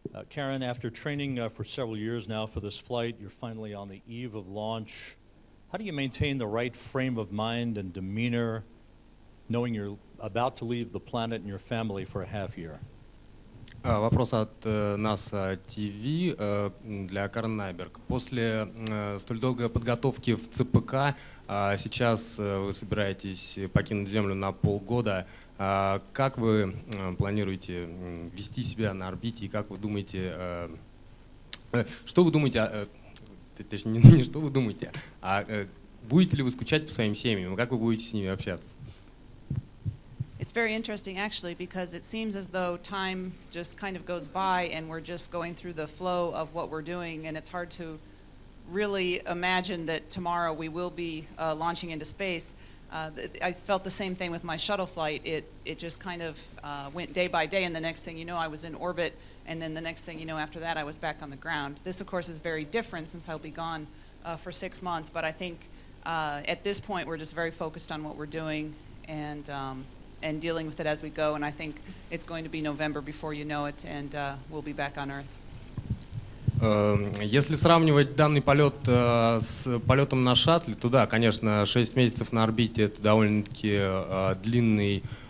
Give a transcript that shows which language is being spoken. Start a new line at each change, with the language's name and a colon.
English: Karen, after training for several years now for this flight, you're finally on the eve of launch. How do you maintain the right frame of mind and demeanor knowing you're about to leave the planet and your family for a half year?
Russian: Вопрос от NASA TV для Карен Найберг. После столь долгой подготовки в ЦПК, сейчас вы собираетесь покинуть Землю на полгода. Как вы планируете вести себя на орбите и как вы думаете, что вы думаете о... Точнее, не что вы думаете, а будете ли вы скучать по своим семьям, как вы будете с ними общаться?
English: It's very interesting, actually, because it seems as though time just kind of goes by and we're just going through the flow of what we're doing, and it's hard to really imagine that tomorrow we will be launching into space. I felt the same thing with my shuttle flight. It just kind of went day by day, and the next thing you know, I was in orbit, and then the next thing you know after that, I was back on the ground. This, of course, is very different since I'll be gone for 6 months, but I think at this point, we're just very focused on what we're doing and dealing with it as we go, and I think it's going to be November before you know it, and we'll be back on Earth.
Russian: Если сравнивать данный полет с полетом на шаттле, то да, конечно, 6 месяцев на орбите — это довольно-таки длинный